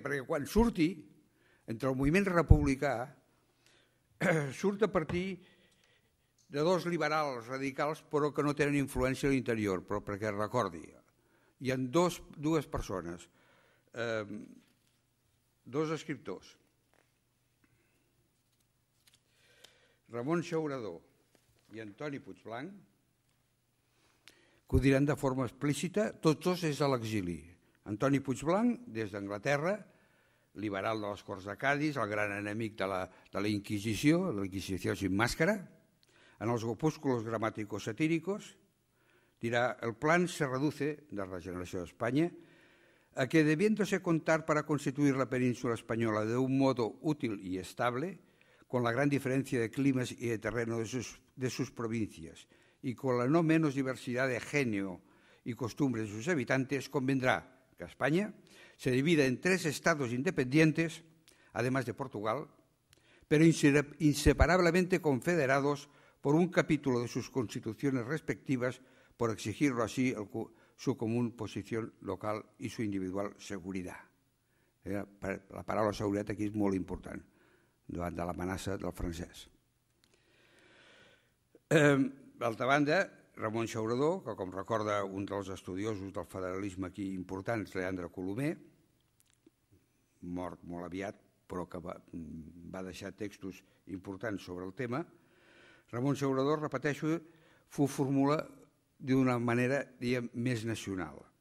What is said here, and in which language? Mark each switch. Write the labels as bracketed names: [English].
[Catalan] Perquè quan surti, entre el moviment republicà, surt a partir de dos liberals radicals però que no tenen influència a l'interior, però perquè recordi, hi ha dues persones, dos escriptors, Ramon Xaurador i Antoni Puigblanc, que ho diran de forma explícita, tots dos és a l'exili. Antoni Puigblanc, des d'Anglaterra, liberal de les Corts de Cádiz, el gran enemic de la Inquisició, la Inquisició sin màscara, en els opúsculos gramáticos satíricos, dirà: [Spanish] el plan se reduce, [Catalan] de regeneració d'Espanya, [Spanish] a que debiéndose contar para constituir la península española de un modo útil y estable, con la gran diferencia de climas y de terreno de sus provincias y con la no menos diversidad de genio y costumbres de sus habitantes, convendrá que España se divida en tres estados independientes, además de Portugal, pero inseparablemente confederados por un capítulo de sus constituciones respectivas, por exigirlo así su común posición local y su individual seguridad. [Catalan] La paraula seguretat aquí és molt important davant de l'amenaça del francès. D'altra banda, Ramon Xaurador, que com recorda un dels estudiosos del federalisme aquí importants, Leandre Colomer, mort molt aviat, però que va deixar textos importants sobre el tema, Ramon Xaurador, repeteixo, ho formula d'una manera, diguem, més nacional.